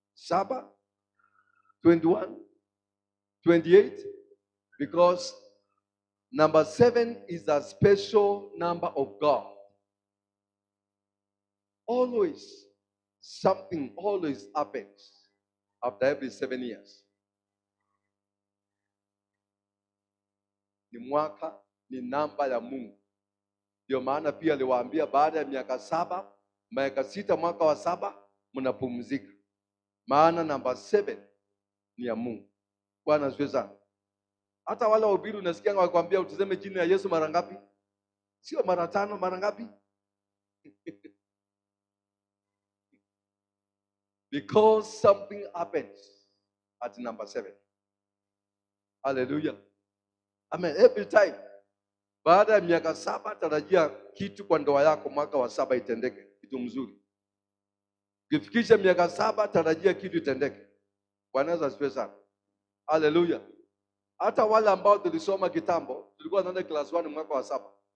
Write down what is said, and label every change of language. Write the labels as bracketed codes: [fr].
[en] 7, 21, 28, because number 7 is a special number of God. Always, something always happens after every 7 years. [sw] Ni mwaka, ni namba ya Mungu. Ndio maana pia aliwaambia baada ya miaka 7, miaka 6 mwaka wa 7, mnapumzika. Maana number 7 ni ya Mungu. Bwana asifiwe. Hata wale wahubiri unasikia wakwambia utuseme jina ya Yesu mara ngapi? Sio mara 5, mara ngapi? [en] Because something happens at number 7. Hallelujah. Amen. Every time. [sw] Baada ya miaka 7 tarajia kitu kwa ndoa yako mwaka wa 7 itendeke. Kitu mzuri. Kifikisha miaka 7 tarajia kitu itendeke. Bwana asifiwe sana. Hallelujah. Hata wale ambao tulisoma kitambo, tulikuwa tunaenda class 1 mwaka wa 7.